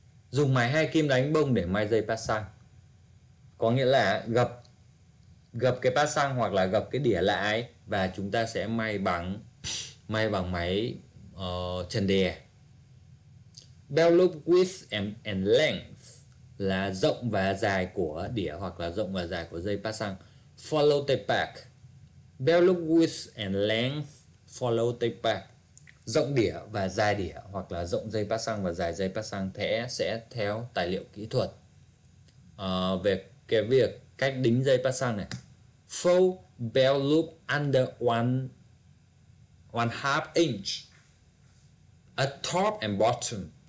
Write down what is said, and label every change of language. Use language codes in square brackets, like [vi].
[vi] Dùng máy hai kim đánh bông để may dây passang. Có nghĩa là gập cái passang hoặc là gập cái đĩa lại, và chúng ta sẽ may bằng máy chân đìa. [en] Bell loop width and length [vi] là rộng và dài của đĩa hoặc là rộng và dài của dây passang. [en] Follow tape back. Bell loop width and length, follow tape back. [vi] Rộng đĩa và dài đĩa, hoặc là rộng dây passang và dài dây passang sẽ theo tài liệu kỹ thuật. Về cái việc cách đính dây passang này. [en] Fold bell loop under 1/2 inch at top and bottom.